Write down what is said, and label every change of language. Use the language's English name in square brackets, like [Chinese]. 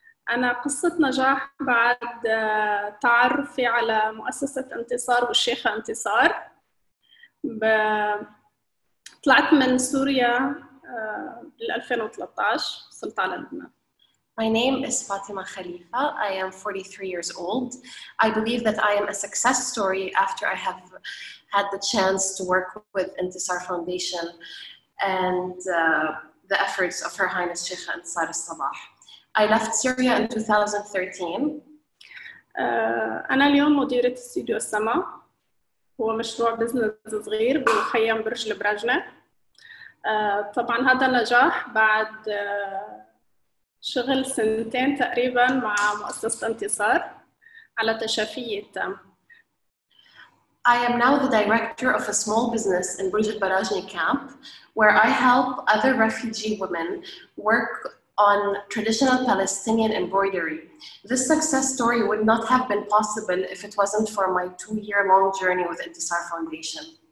[Arabic] أنا قصة نجاح بعد تعرفي على مؤسسة انتصار والشيخة انتصار. طلعت من سوريا بال 2013، وصلت على لبنان. [English] My name is Fatima Khalifa. I am 43 years old. I believe that I am a success story after I have had the chance to work with Intisar Foundation and the efforts of Her Highness Sheikha Intisar AlSabah. I left Syria in 2013. [Arabic] أنا اليوم مديرة استوديو السما. هو مشروع بزنس صغير بمخيم برج البرجنة. طبعا هذا نجاح بعد شغل سنتين تقريبا مع مؤسسة انتصار على تشافية تام. [English] I am now the director of a small business in Burj Al Barajni camp where I help other refugee women work on traditional Palestinian embroidery. This success story would not have been possible if it wasn't for my 2-year long journey with Intisar Foundation.